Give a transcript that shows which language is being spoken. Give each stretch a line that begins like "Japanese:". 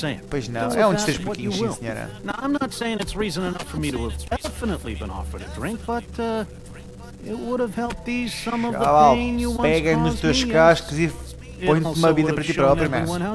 Portuguese: Pois não, é um dos três pouquinhos, sim senhora.
English: Now, I'm not saying it's reason enough for me to have definitely been offered a drink, but it would have helped ease some of the pain you once caused.
Portuguese: Pega nos teus cascos e põe-te uma vida para ti próprio, mas.